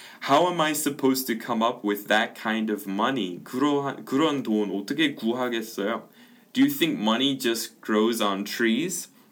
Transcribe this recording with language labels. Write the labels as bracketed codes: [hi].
[en] How am I supposed to come up with that kind of money? [ko] 그런 돈 어떻게 구하겠어요? [en] Do you think money just grows on trees?